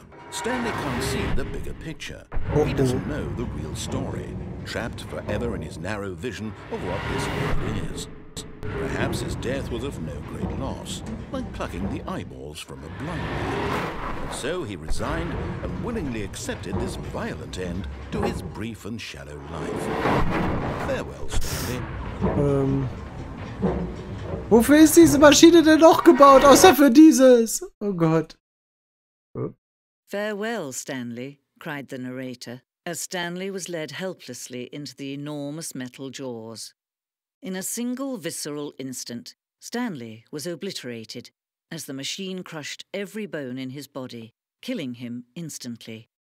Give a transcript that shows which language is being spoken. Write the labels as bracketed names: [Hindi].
[English] Stanley can't see the bigger picture. He doesn't know the real story, trapped forever in his narrow vision of what this world is. Perhaps his death was of no great loss, like plucking the eyeballs from a blind man. So he resigned and willingly accepted this violent end to his brief and shallow life. Farewell, Stanley. [German] Wofür ist diese Maschine denn noch gebaut, außer für dieses? Oh Gott. [English] Farewell, Stanley, cried the narrator, as Stanley was led helplessly into the enormous metal jaws. In a single visceral instant, Stanley was obliterated as the machine crushed every bone in his body, killing him instantly.